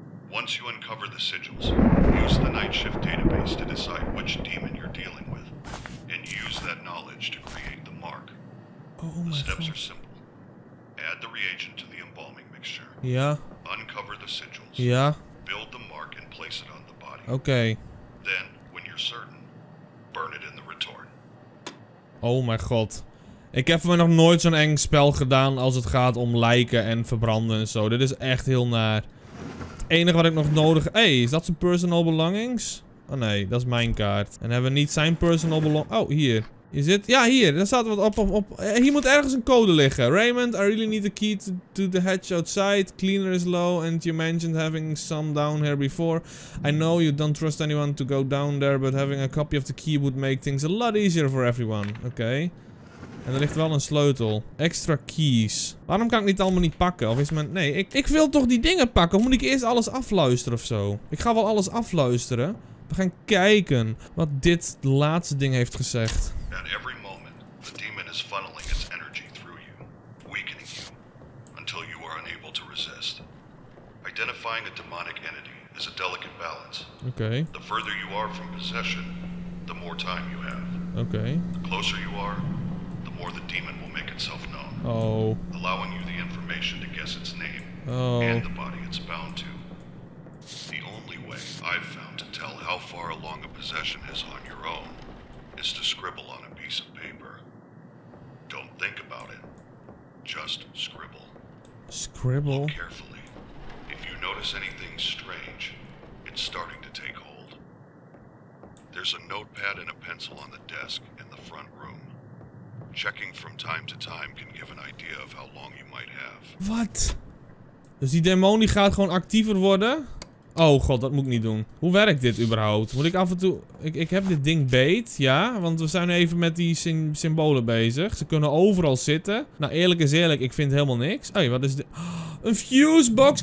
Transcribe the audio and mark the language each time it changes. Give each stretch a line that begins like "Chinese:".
English: Once you uncover the sigils, use the night shift database to decide which demon you're dealing with, and use that knowledge to create the mark. Oh, the steps God. Are simple. Add the reagent to the embalming mixture. Yeah. Uncover the sigils. Yeah. Build the mark and place it on the body. Okay. Then, when you're certain, burn it in the retort. Oh my God.
Dutch: Ik heb me nog nooit zo'n eng spel gedaan als het gaat om lijken en verbranden en zo. Dit is echt heel naar. Het enige wat ik nog nodig... Hey, is dat zijn personal belongings? Oh nee, dat is mijn kaart. En hebben we niet zijn personal belongings... Oh, hier. Is dit? Ja, hier. Daar staat wat op. Hier moet ergens een code liggen.
English: Raymond, I really need the key to the hatch outside. Cleaner is low and you mentioned having some down here before. I know you don't trust anyone to go down there, but having a copy of the key would make things a lot easier for everyone. Okay.
Dutch: En er ligt wel een sleutel. Extra keys. Waarom kan ik dit allemaal niet pakken? Of is mijn... Nee, ik wil toch die dingen pakken? Moet ik eerst alles afluisteren of zo? Ik ga wel alles afluisteren. We gaan kijken wat dit laatste ding heeft gezegd.
English: At every moment, the demon is funneling its energy through you, weakening you, until you are unable to resist. Identifying a demonic entity is a delicate balance. Okay. The further you are from possession, the more time you have. Okay. The closer you are, the more the demon will make itself known. Oh. Allowing you the information to guess its name. Oh. And the body it's bound to. The only way I've found to tell how far along a possession is on your own is to scribble on a piece of paper. Don't think about it. Just scribble. Scribble? Look carefully. If you notice anything strange, it's starting to take hold. There's a notepad and a pencil on the desk in the front room. Checking from time to time can give an idea of how long you might have. What?
Dutch: Dus die demon die gaat gewoon actiever worden? Oh god, dat moet ik niet doen. Hoe werkt dit überhaupt? Moet ik af en toe... Ik heb dit ding beet, ja. Want we zijn even met die symbolen bezig. Ze kunnen overal zitten. Nou, eerlijk is eerlijk, ik vind helemaal niks. Hé, wat is dit? Oh, een fusebox!